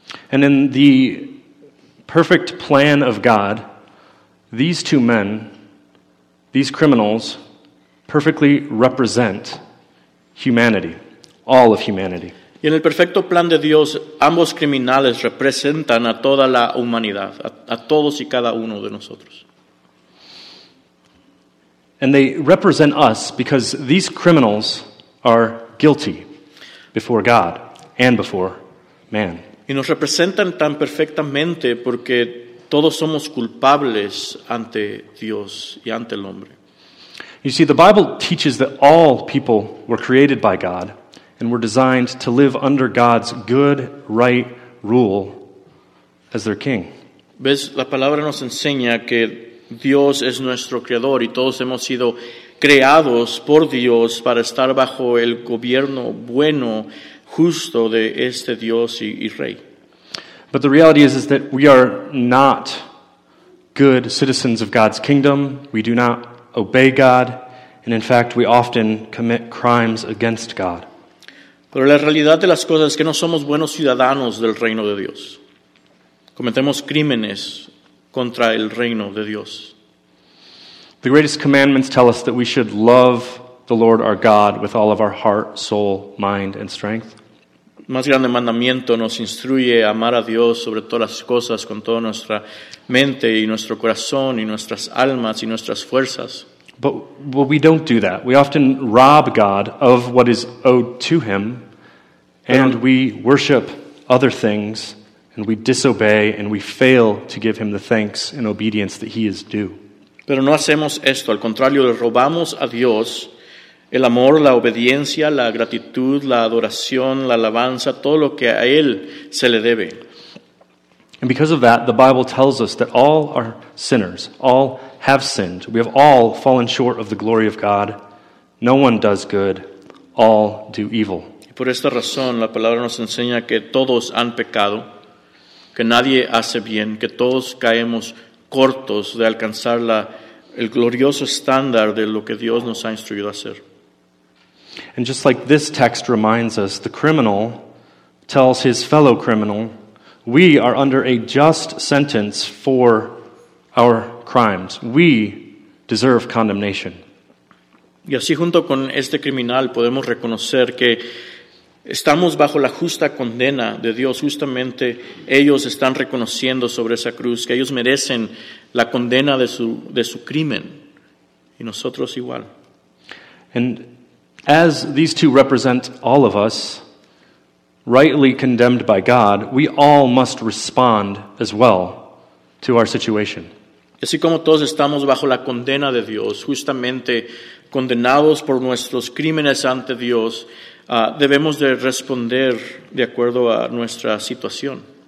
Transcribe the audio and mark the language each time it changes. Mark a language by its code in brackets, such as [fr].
[en] And in the perfect plan of God, these two men, these criminals, perfectly represent humanity, all of humanity. [es] Y en el perfecto plan de Dios, ambos criminales representan a toda la humanidad, a todos y cada uno de nosotros. [en] And they represent us because these criminals are guilty before God and before man. [es] Y nos representan tan perfectamente porque todos somos culpables ante Dios y ante el hombre. [en] You see, the Bible teaches that all people were created by God and were designed to live under God's good, right rule as their king. [es] ¿Ves? La palabra nos enseña que Dios es nuestro creador y todos hemos sido creados por Dios para estar bajo el gobierno bueno, justo de este Dios y rey. [en] But the reality is that we are not good citizens of God's kingdom. We do not obey God, and in fact, we often commit crimes against God. [es] Pero la realidad de las cosas es que no somos buenos ciudadanos del reino de Dios. Cometemos crímenes contra el reino de Dios. [en] The greatest commandments tell us that we should love the Lord our God with all of our heart, soul, mind, and strength. [es] Más grande mandamiento nos instruye a amar a Dios sobre todas las cosas con toda nuestra mente y nuestro corazón y nuestras almas y nuestras fuerzas. [en] But we don't do that. We often rob God of what is owed to him, and we worship other things, and we disobey, and we fail to give him the thanks and obedience that he is due. [es] Pero no hacemos esto. Al contrario, le robamos a Dios el amor, la obediencia, la gratitud, la adoración, la alabanza, todo lo que a él se le debe. [en] And because of that, the Bible tells us that all are sinners, all have sinned. We have all fallen short of the glory of God. No one does good. All do evil. [es] Y por esta razón, la palabra nos enseña que todos han pecado, que nadie hace bien, que todos caemos cortos de alcanzar el glorioso estándar de lo que Dios nos ha instruido a hacer. [en] And just like this text reminds us, the criminal tells his fellow criminal, we are under a just sentence for our crimes. We deserve condemnation. [es] Y así junto con este criminal podemos reconocer que estamos bajo la justa condena de Dios. Justamente ellos están reconociendo sobre esa cruz que ellos merecen la condena de su crimen. Y nosotros igual. [en] And as these two represent all of us, rightly condemned by God, we all must respond as well to our situation. [es] Así como todos estamos bajo la condena de Dios, justamente condenados por nuestros crímenes ante Dios, debemos de responder de acuerdo a nuestra situación.